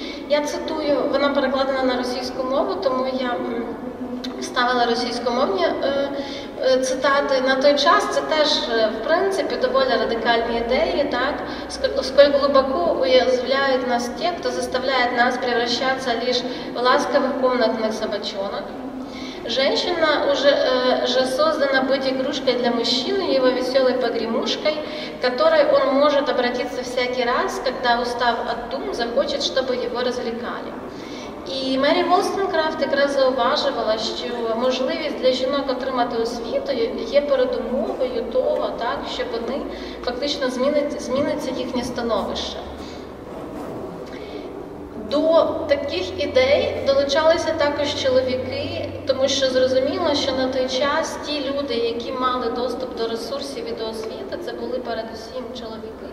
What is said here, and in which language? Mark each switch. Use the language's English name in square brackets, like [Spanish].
[Ukrainian] Я цитую, вона перекладена на російську мову, тому я ставила російськомовні цитати. На той час це теж, в принципі, доволі радикальні ідеї, так? Оскільки глибоко уязвляють нас ті, хто заставляє нас превращатися лише в ласкавих [Russian] комнатних собачонок. Женщина уже создана быть игрушкой для мужчины, его веселой погремушкой, к которой он может обратиться всякий раз, когда, устав от дум, захочет, чтобы его развлекали. [Ukrainian] І Мері Волстонкрафт якраз зауважувала, що можливість для жінок отримати освіту є передумовою того, так, щоб вони фактично зміниться їхнє становище. До таких ідей долучалися також чоловіки, тому що зрозуміло, що на той час ті люди, які мали доступ до ресурсів і до освіти, це були передусім чоловіки.